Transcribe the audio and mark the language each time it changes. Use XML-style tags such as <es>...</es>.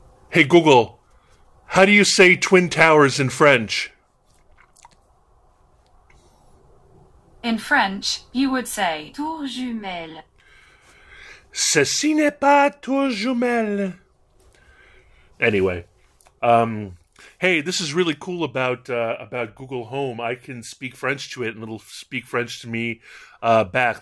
<en>Hey Google, how do you say Twin Towers in French? In French, you would say Tour Jumelle.</en> <fr>Ceci n'est pas toujours mal.</fr> <en>Anyway, hey, this is really cool about Google Home. I can speak French to it and it'll speak French to me back.</en>